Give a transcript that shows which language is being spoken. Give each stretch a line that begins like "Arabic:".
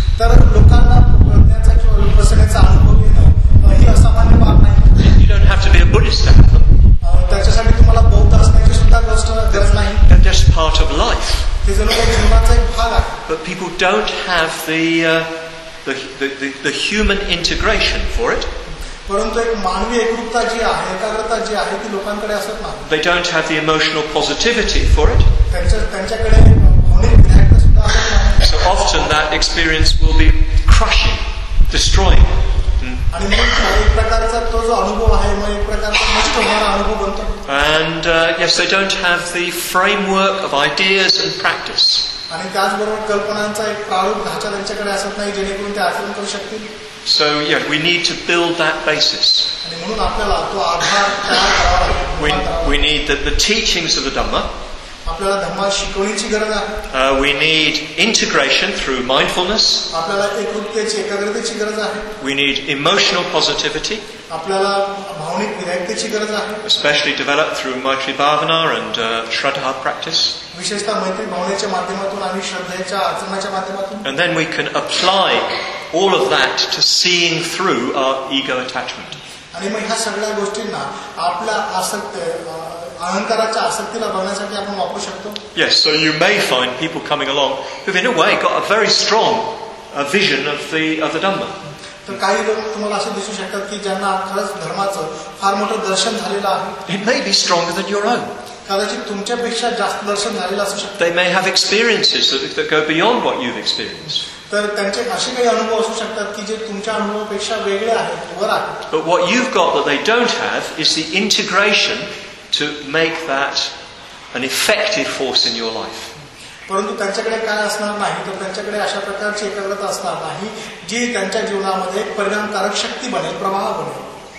Marathi: तर लोकांना प्रज्ञेचा किंवा विपश्यनेचा अनुभव येणं ही असामान्य बाब नाही.
English: You don't have to be a Buddhist to have them.
Marathi: त्याच्यासाठी तुम्हाला बौद्ध असण्याची सुद्धा गरज नाही.
English: They're just part of life. But people don't have the human integration for it.
Marathi: परंतु एक मानवी एकरूपता जी आहे, एकाग्रता जी आहे, ती लोकांकडे असत नाही.
English: They don't have the emotional positivity for it.
Marathi: त्यांच्याकडे भावनिक दृष्ट्या सुद्धा असत नाही.
English: So often that experience will be crushing, destroying.
Marathi: आणि म्हणून एक प्रकारचा तो जो अनुभव आहे मग एक प्रकारचा नष्ट होणारा अनुभव बनतो.
English: And yes, they don't have the framework of ideas and practice.
Marathi: आणि त्याचबरोबर कल्पनांचा एक प्रारूप ढाचा त्यांच्याकडे असत नाही जेणेकरून ते आचरण करू शकतील.
English: So yeah, we need to build that basis.
Marathi: आणि म्हणून आपल्याला तो आधार तयार करावा लागतो.
English: We need the teachings of the Dhamma.
Marathi: आपल्याला धम्मा शिकवण्याची गरज आहे.
English: We need integration through mindfulness.
Marathi: आपल्याला एकरूपतेची एकाग्रतेची गरज आहे.
English: We need emotional positivity.
Marathi: आपल्याला भावनिक निरायतेची गरज आहे.
English: Especially developed through Maitri Bhavana and Shraddha practice.
Marathi: विशेषतः मैत्री भावनेच्या माध्यमातून आणि श्रद्धेच्या आचरणाच्या माध्यमातून.
English: And then we can apply all of that to seeing through our ego attachment.
Marathi: आणि मग ह्या सगळ्या गोष्टींना आपल्या आसक्त अहंकाराच्या आसक्तीला बघण्यासाठी आपण वापरू शकतो.
English: Yes, so you may find people coming along who've in a way got a very strong vision of the Dhamma.
Marathi: तर काही लोक तुम्हाला असं दिसू शकतात की ज्यांना खरंच धर्माचं फार मोठं दर्शन झालेलं आहे.
English: It may be stronger than your own.
Marathi: कदाचित तुमच्यापेक्षा जास्त दर्शन झालेलं असू शकतं.
English: They may have experiences that go beyond what you've experienced.
Marathi: तर त्यांचे असे काही अनुभव असू शकतात की जे तुमच्या अनुभवापेक्षा वेगळे आहेत. बरं.
English: But what you've got that they don't have is the integration to make that an effective force in your life.
Marathi: परंतु त्यांच्याकडे काय असणार नाही तर त्यांच्याकडे अशा प्रकारची एकाग्रता असणार नाही जी त्यांच्या जीवनामध्ये परिणामकारक शक्ती बनेल, प्रभाव बनेल.